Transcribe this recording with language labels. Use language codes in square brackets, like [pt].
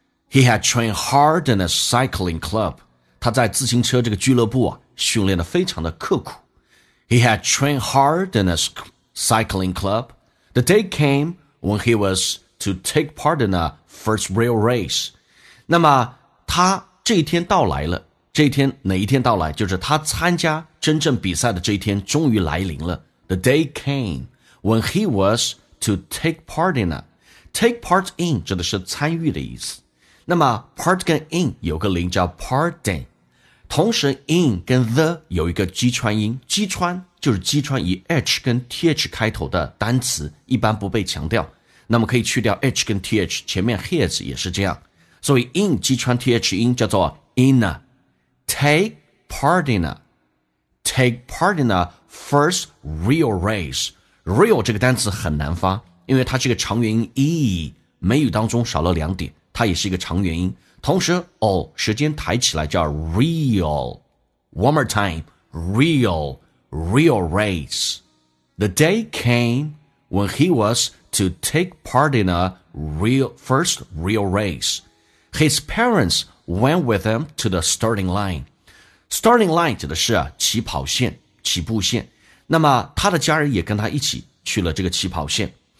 [en] He had trained hard in a cycling club， [zh] 他在自行车这个俱乐部啊训练得非常的刻苦。 [en] He had trained hard in a cycling club. The day came when he was to take part in a first real race。 [zh] 那么他这一天到来了，这一天哪一天到来，就是他参加真正比赛的这一天终于来临了。 [en] The day came when he was to take part in a take part in [zh] 指的是参与的意思。那么 part 跟 in 有个连叫 parting， 同时 in 跟 the 有一个击穿音，击穿就是击穿以 h 跟 th 开头的单词，一般不被强调，那么可以去掉 h 跟 th， 前面 his 也是这样。所以 in 击穿 th 音叫做 [en] in a take part in a take part in a first real race。 [zh] real 这个单词很难发，因为它是一个长元音 e， 美语当中少了两点，它也是一个长元音，同时 o 舌尖抬起来叫 real。 [en] one more time， real real race。 The day came when he was to take part in a real first real raceHis parents went with him to the starting line. [zh] Starting line 指的是起跑线、起步线。那么他的家人也跟他一起去了这个起跑线。